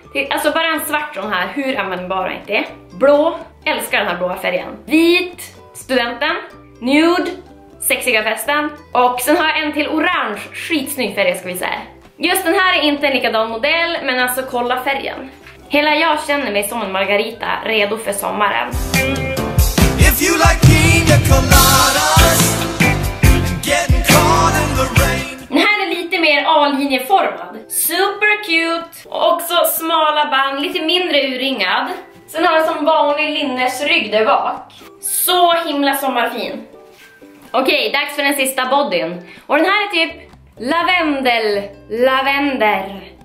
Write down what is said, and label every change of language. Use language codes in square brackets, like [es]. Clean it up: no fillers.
[sv] Alltså bara en svart sån här, hur användbar är inte det? Blå, älskar den här blåa färgen. Vit, studenten. Nude, sexiga festen. Och sen har jag en till orange, skitsnygg färg ska vi säga. Just den här är inte en likadan modell, men alltså kolla färgen. Hela jag känner mig som en margarita, redo för sommaren. [en] If you like pina coladas, getting caught in the rain. [sv] Den här är lite mer A-linjeformad. [en] Super cute. [sv] Och också smala band, lite mindre urringad. Sen har jag som vanlig linnes rygg där bak. Så himla sommarfin. Okej, dags för den sista bodyn. Och den här är typ lavendel. Lavender.